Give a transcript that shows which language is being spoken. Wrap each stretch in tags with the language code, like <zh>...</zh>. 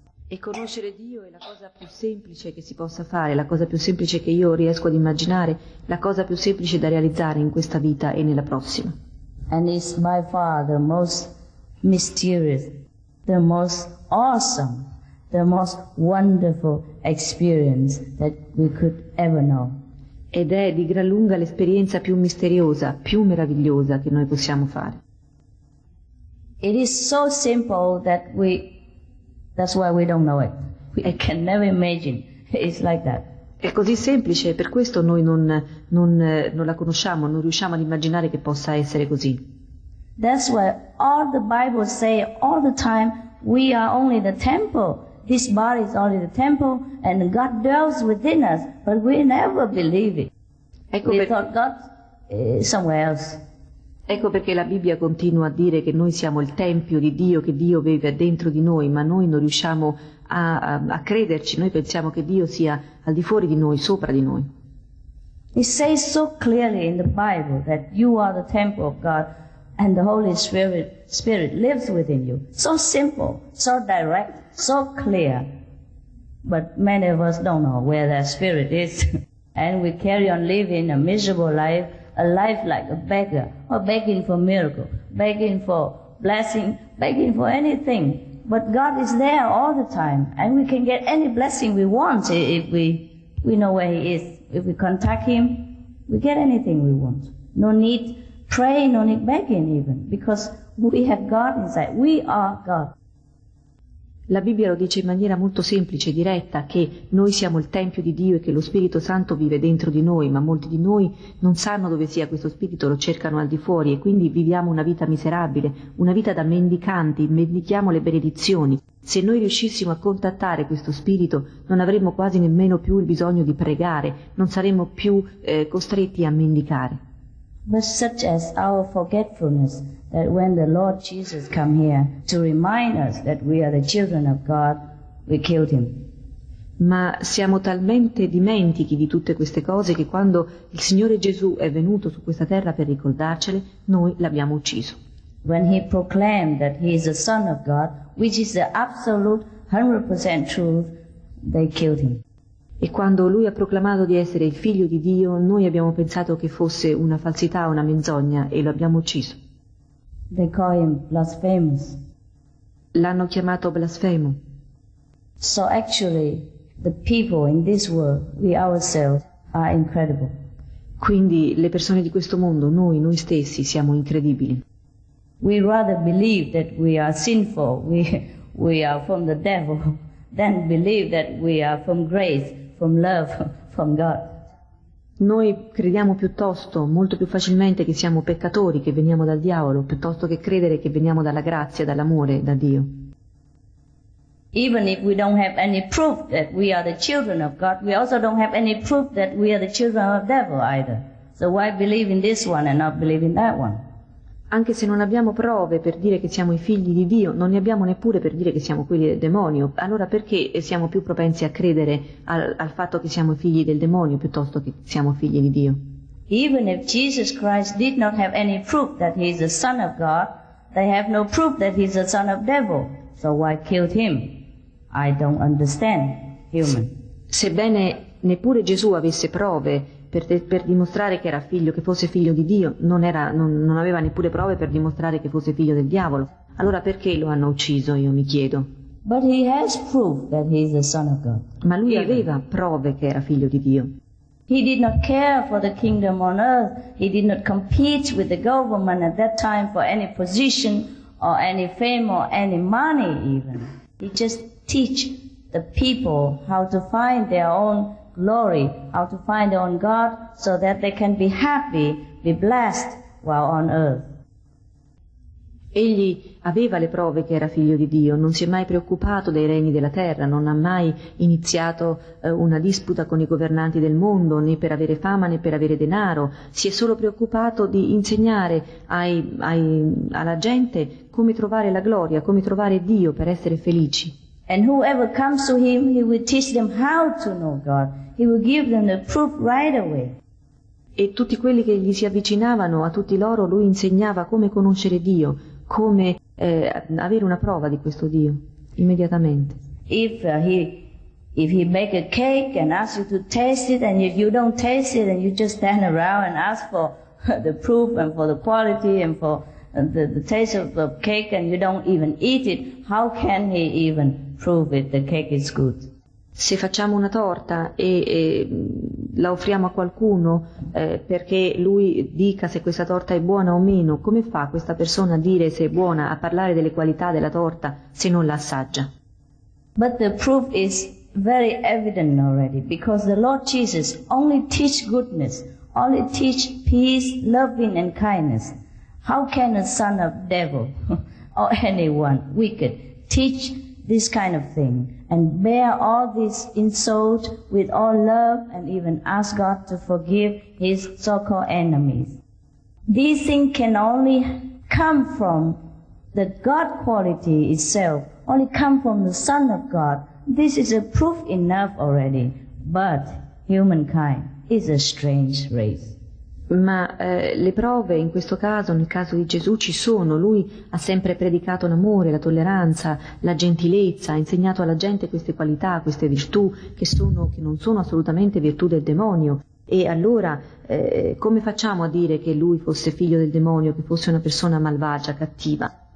<it>E conoscere Dio è la cosa più semplice che si possa fare, la cosa più semplice che io riesco ad immaginare, la cosa più semplice da realizzare in questa vita e nella prossima.</it> <en>And it's by far the most mysterious, the most awesome, the most wonderful experience that we could ever know.</en> <it>Ed è di gran lunga l'esperienza più misteriosa, più meravigliosa che noi possiamo fare.</it> <en>It is so simple that that's why we don't know it. We can never imagine it's like that.</en> <it>È così semplice, per questo noi non la conosciamo, non riusciamo ad immaginare che possa essere così.</it> <en>That's why all the Bible say all the time we are only the temple. This body is only the temple and God dwells within us, but we never believe it.</en> <it>Ecco,</it> <en>we thought God somewhere else.</en> <it>Ecco perché la Bibbia continua a dire che noi siamo il tempio di Dio, che Dio vive dentro di noi, ma noi non riusciamo a crederci, noi pensiamo che Dio sia al di fuori di noi, sopra di noi.</it> <en>It says so clearly in the Bible that you are the temple of God and the Holy Spirit lives within you. So simple, so direct, so clear. But many of us don't know where that spirit is and we carry on living a miserable life. A life like a beggar, or begging for miracle, begging for blessing, begging for anything. But God is there all the time, and we can get any blessing we want if we know where He is. If we contact Him, we get anything we want. No need praying, no need begging even, because we have God inside. We are God.</en> <it>La Bibbia lo dice in maniera molto semplice e diretta che noi siamo il Tempio di Dio e che lo Spirito Santo vive dentro di noi, ma molti di noi non sanno dove sia questo Spirito, lo cercano al di fuori e quindi viviamo una vita miserabile, una vita da mendicanti, mendichiamo le benedizioni. Se noi riuscissimo a contattare questo Spirito non avremmo quasi nemmeno più il bisogno di pregare, non saremmo più costretti a mendicare.</it> <en>But such as our forgetfulness, that when the Lord Jesus come here to remind us that we are the children of God, we killed Him.</en> <it>Ma siamo talmente dimentichi di tutte queste cose che quando il Signore Gesù è venuto su questa terra per ricordarcele, noi l'abbiamo ucciso.</it> <en>When He proclaimed that He is the Son of God, which is the absolute 100% truth, they killed Him.</en> <it>E quando Lui ha proclamato di essere il Figlio di Dio, noi abbiamo pensato che fosse una falsità, una menzogna, e lo abbiamo ucciso.</it> <en>They call Him blasphemous.</en> <it>L'hanno chiamato blasfemo.</it> <en>So actually, the people in this world, we ourselves, are incredible.</en> <it>Quindi le persone di questo mondo, noi stessi, siamo incredibili.</it> <en>We rather believe that we are sinful, we are from the devil, than believe that we are from grace, from love, from God.</en> <it>Noi crediamo piuttosto, molto più facilmente, che siamo peccatori, che veniamo dal diavolo, piuttosto che credere che veniamo dalla grazia, dall'amore, da Dio.</it> <en>Even if we don't have any proof that we are the children of God, we also don't have any proof that we are the children of the devil either. So why believe in this one and not believe in that one?</en> <it>Anche se non abbiamo prove per dire che siamo i figli di Dio, non ne abbiamo neppure per dire che siamo quelli del demonio. Allora perché siamo più propensi a credere al fatto che siamo figli del demonio piuttosto che siamo figli di Dio?</it> <en>Even if Jesus Christ did not have any proof that he is the Son of God, they have no proof that he is the Son of Devil. So why killed him? I don't understand human.</en> <it>Sebbene neppure Gesù avesse prove per dimostrare che era figlio, che fosse figlio di Dio, non aveva neppure prove per dimostrare che fosse figlio del diavolo. Allora perché lo hanno ucciso, io mi chiedo?</it> <en>But he has proof that he is the Son of God.</en> <it>Ma lui aveva prove che era figlio di Dio.</it> <en>He did not care for the kingdom on earth. He did not compete with the government at that time for any position or any fame or any money even. He just teach the people how to find their own glory, how to find on God so that they can be happy, be blessed while on earth.</en> <it>Egli aveva le prove che era figlio di Dio, non si è mai preoccupato dei regni della terra, non ha mai iniziato una disputa con i governanti del mondo, né per avere fama né per avere denaro, si è solo preoccupato di insegnare alla gente come trovare la gloria, come trovare Dio per essere felici.</it> <en>And whoever comes to him, he will teach them how to know God. He will give them the proof right away.</en> <it>E tutti quelli che gli si avvicinavano, a tutti loro, lui insegnava come conoscere Dio, come avere una prova di questo Dio, immediatamente.</it> <en>If he make a cake and ask you to taste it, and if you don't taste it, and you just stand around and ask for the proof and for the quality and for the taste of the cake, and you don't even eat it, how can he even prove it the cake is good?</en> <it>Se facciamo una torta e la offriamo a qualcuno perché lui dica se questa torta è buona o meno, come fa questa persona a dire se è buona, a parlare delle qualità della torta se non la assaggia?</it> <en>But the proof is very evident already, because the Lord Jesus only teach goodness, only teach peace, loving and kindness. How can a son of devil or anyone wicked teach this kind of thing and bear all this insult with all love and even ask God to forgive his so-called enemies? These things can only come from the God quality itself, only come from the Son of God. This is a proof enough already, but humankind is a strange race.</en> <it>Ma le prove in questo caso, nel caso di Gesù, ci sono. Lui ha sempre predicato l'amore, la tolleranza, la gentilezza, ha insegnato alla gente queste qualità, queste virtù, che non sono assolutamente virtù del demonio. E allora, come facciamo a dire che lui fosse figlio del demonio, che fosse una persona malvagia, cattiva?</it>